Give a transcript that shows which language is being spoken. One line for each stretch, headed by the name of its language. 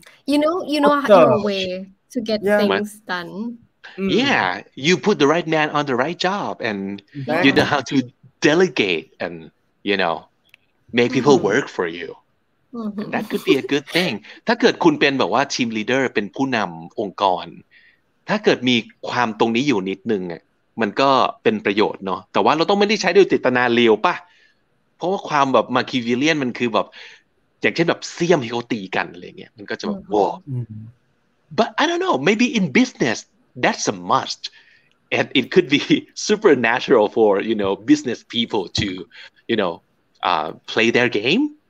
English: you know your way to get things done yeah you put the right man on the right job and you know how to delegate and you know make people work for youThat could be a good thing.
Thai: ถ้าเกิดคุณเป็นแบบว่าทีมลีดเดอร์เป็นผู้นำองค์กรถ้าเกิดมีความตรงนี้อยู่นิดนึงอ่ะมันก็เป็นประโยชน์เนาะแต่ว่าเราต้องไม่ได้ใช้ด้วยเจตนาเลวป่ะเพราะว่าความแบบมาคิวิเลียนมันคือแบบอย่างเช่นแบบเสี้ยมให้เขาตีกันอะไรเงี้ยมันก็จะแบบว้า
English: But I don't know. Maybe in business that's a must, and it could be supernatural for you know business people to you know play their game.